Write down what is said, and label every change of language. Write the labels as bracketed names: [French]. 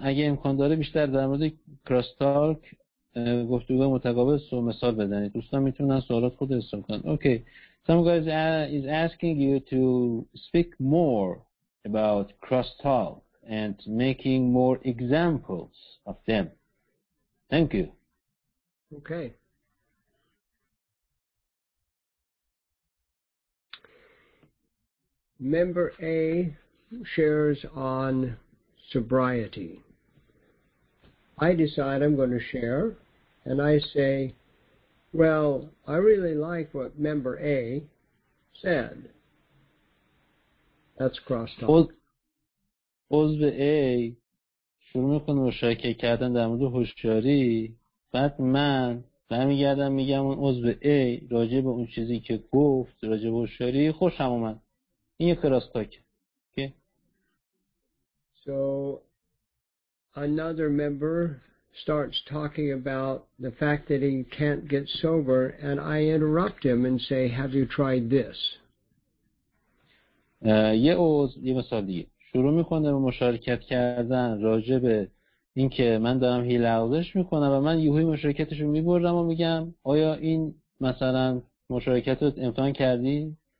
[Persian] اگه امکان داره بیشتر در مورد کراس تاک گفتگوهای متقابل سو مثال بدنید. دوستان میتونن سوالات خود ارسال کنن. اوکی. [English] Some guys is asking you to speak more about crosstalk and making more examples of them. Thank you. Okay. Member A shares on sobriety. I decide I'm going to share, and I say, well, I really like what Member A said. That's crosstalk. [Persian] عضو A شروع میکنه مشارکت کردن در مورد هوشیاری، بعد من برمیگردم میگم اون عضو A راجع به اون چیزی که گفت راجع به هوشیاری خوشم اومد. این یک کراستاک. Okay. [English] So another member starts talking about the fact that he can't get sober and I interrupt him and say, have you tried this? [Persian] یه مثال دیگه شروع میکنه به مشارکت کردن راجع به این که من دارم هیلاوزش میکنم و من یهوی مشارکتش رو میبرم و میگم آیا این مثلا مشارکت رو امتحان کردی؟